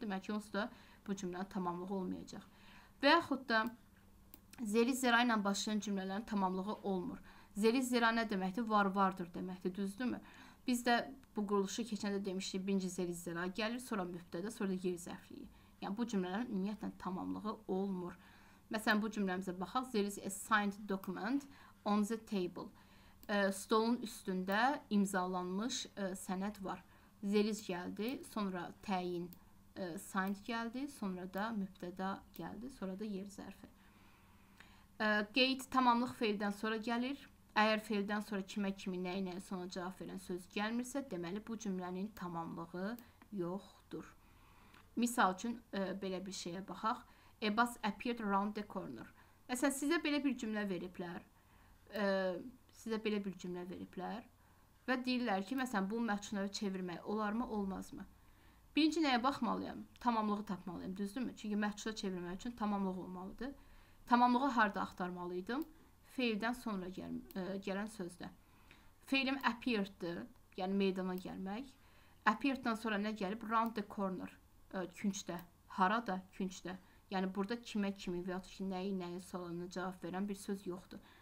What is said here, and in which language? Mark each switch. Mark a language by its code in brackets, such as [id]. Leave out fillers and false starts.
[az] Demək ki, onsuz da bu cümlənin tamamlığı olmayacaq. Və yaxud da zeri zera ilə başlayan cümlələrin tamamlığı olmur. Zeri zera nə deməkdir? Var-vardır deməkdir. Düzdürmü? Biz də bu quruluşu keçəndə demişdik, birinci zeri zera gəlir, sonra mübtədə, sonra da yer zərfliyi. Yəni, bu cümlələrin ümumiyyətlə tamamlığı olmur. Məsələn, bu cümləmizə baxaq. [en] There is a signed document on the table. [az] Stolun üstündə imzalanmış sənəd var. Zeriz gəldi, sonra təyin signed gəldi, sonra da mübtəda gəldi, sonra da yer zərfi. Qeyd tamamlıq feildən sonra gəlir. Əgər feildən sonra kimə kimi nəyin sonuna cavab verən söz gəlmirsə, deməli bu cümlənin tamamlığı yoxdur. Misal üçün belə bir şeyə baxaq. [en] Abbas appeared around the corner. [az] Məsələn, sizə belə bir cümlə veriblər. Sizə belə bir cümlə veriblər və deyirlər ki, məsələn, bu məchul növü çevirmək olar mı, olmaz mı? Birinci nəyə baxmalıyam? Tamamlığı tapmalıyam, düzdürmü? Çünki məchula çevirmək üçün tamamlıq olmalıdır. Tamamlığı harda axtarmalıydım? Feildən sonra gələn sözdə. Feilim appeared-dir, yəni meydana gəlmək. Appeared-dan sonra nə gəlib? [en] Round the corner, [az] küncdə. Harada? Küncdə. Yəni, burada kimə kimi və yaxud ki, nəyi nəyi sualına cavab verən bir söz yoxdur.